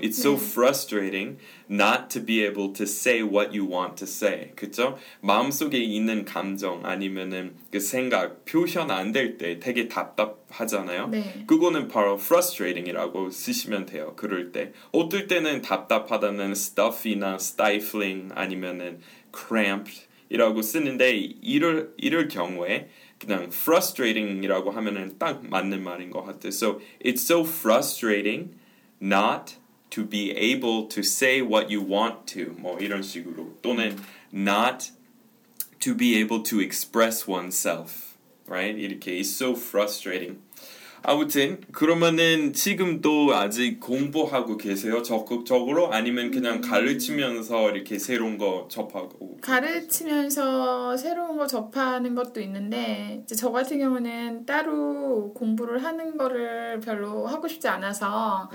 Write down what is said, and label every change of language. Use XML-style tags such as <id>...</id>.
<en>It's so frustrating not to be able to say what you want to say.</en> <ko>그쵸? 마음속에 있는 감정 아니면은 그 생각 표현 안 될 때 되게 답답하잖아요. 네. 그거는 바로</ko> <en>frustrating</en> <ko>이라고 쓰시면 돼요. 그럴 때. 어떨 때는 답답하다는 stuffy나 stifling 아니면은 cramped 이라고 쓰는데 이럴 경우에 그냥</ko> <en>frustrating</en> <ko>이라고 하면은 딱 맞는 말인 것 같아요.</ko> <en>So it's so frustrating not to be able to say what you want to</en> <ko>뭐 이런 식으로 또는</ko> <en>not to be able to express oneself, right?</en> <ko>이렇게</ko> <en>it's so frustrating.</en> <ko>아무튼 그러면은 지금도 아직 공부하고 계세요? 적극적으로 아니면 그냥 가르치면서 이렇게 새로운 거 접하고 가르치면서 새로운 거 접하는 것도 있는데 이제 저 같은 경우는 따로 공부를 하는 거를 별로 하고 싶지 않아서</ko>